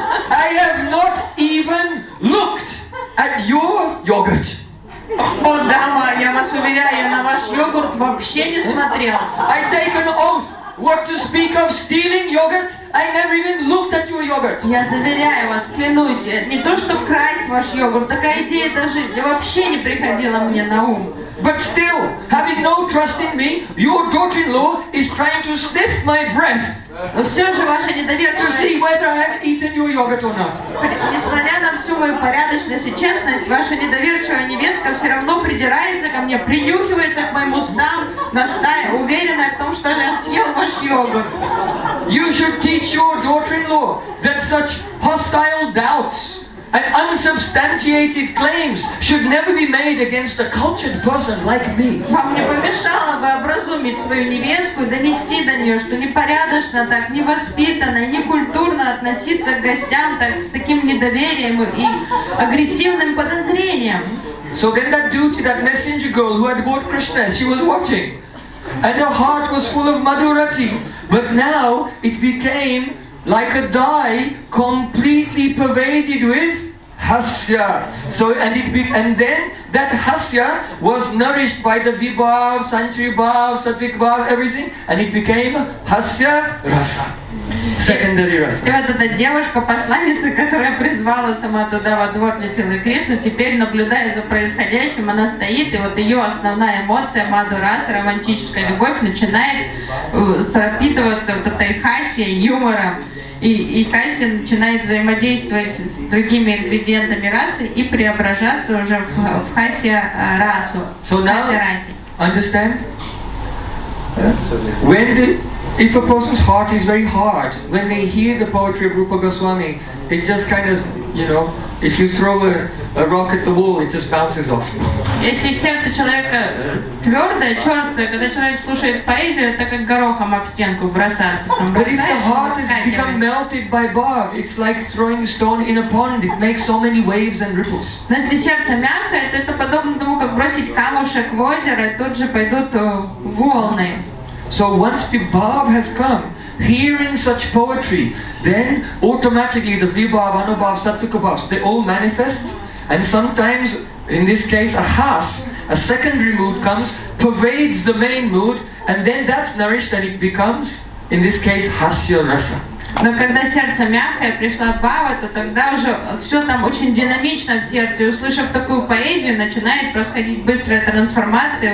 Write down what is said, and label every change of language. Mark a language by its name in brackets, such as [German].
[English] I have not even looked at your yogurt. [Russian] О, дама, я вас уверяю, на ваш йогурт вообще не смотрел. [English] I take an oath. What to speak of stealing yogurt? I never even looked at your yogurt. [Russian] Я заверяю вас, клянусь, не то что красть ваш йогурт, такая идея даже вообще не приходила мне на ум. [English] But still, having no trust in me, your daughter-in-law is trying to sniff my breath. [Russian] Но все же ваша недоверчивость. [English] To see whether I have eaten your yogurt or not. [Russian] Несмотря на всю мою порядочность и честность, ваша недоверчивая невестка все равно придирается ко мне, принюхивается к моим устам, уверенная в том, что я съел ваш йогурт. [English] You should teach your daughter-in-law that such hostile doubts and unsubstantiated claims should never be made against a cultured person like me. [Russian] Вам не помешало бы образумить свою невестку, донести до нее, что непорядочно так, невоспитанно и некультурно относиться к гостям так, с таким недоверием и агрессивным подозрением. [English] So then that duty, that messenger girl who had bought Krishna, she was watching. And her heart was full of madurati. But now it became like a dye, completely pervaded with hasya. So and then that hasya was nourished by the vibhav, sanchri bhav, sattvik bhav, everything, and it became hasya rasa. Secondary rasa. [Russian] И вот эта девушка посланница, которая призвала сама туда во двор Джутилы Кришну, теперь наблюдая за происходящим, она стоит, и вот ее основная эмоция мадурас, романтическая любовь, начинает пропитываться вот этой хасьей, юмором. И Кайси начинает взаимодействовать с другими ингредиентами расы и преображаться уже в хасья расу. [English] So now, understand? When if a person's heart is very hard, when they hear the poetry of Rupa Goswami, it just kind of, you know, If you throw a rock at the wall, it just bounces off. [Russian] Если сердце человека твердое, черствое, когда человек слушает поэзию, это как горохом об стенку бросаться. [English] But if the heart has become melted by love, it's like throwing a stone in a pond. It makes so many waves and ripples. [Russian] Но если сердце мягкое, то это подобно тому, как бросить камушек в озеро, тут же пойдут волны. [English] So once vibhav has come, hearing such poetry, then automatically the vibhav, anubhav, sattvikabhav, they all manifest. And sometimes, in this case, ahas, a secondary mood comes, pervades the main mood, and then that's nourished and it becomes, in this case, hasya rasa. [Russian] Но когда сердце мягкое, пришла бхава, то тогда уже все там очень динамично в сердце. Услышав такую поэзию, начинает происходить быстрая трансформация.